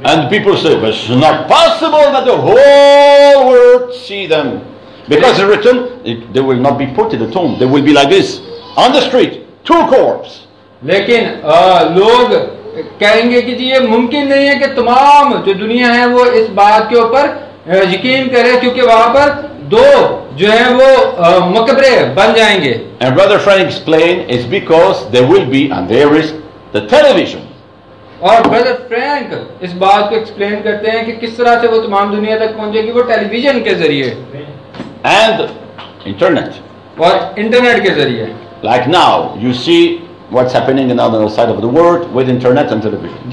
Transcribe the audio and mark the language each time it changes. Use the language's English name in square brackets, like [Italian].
[English] And people say, but it's not possible that the whole world see them. Because it's written, they will not be put in the tomb. They will be like this, on the street, two corpses. [Hindi] लेकिन लोग कहेंगे कि ये मुमकिन नहीं है कि तमाम जो दुनिया है वो इस बात के ऊपर यकीन करे क्योंकि वहां पर दो जो है वो मकबरे बन जाएंगे. [English] And Brother Frank explained, it's because there will be and there is the television. [Hindi] और ब्रदर फ्रैंक इस बात को एक्सप्लेन करते हैं कि किस तरह से वो तमाम दुनिया तक पहुंचेगी वो टेलीविजन के जरिए [English] and internet [Hindi] और इंटरनेट के जरिए. [English] Like now you see what's happening on the other side of the world with internet and television.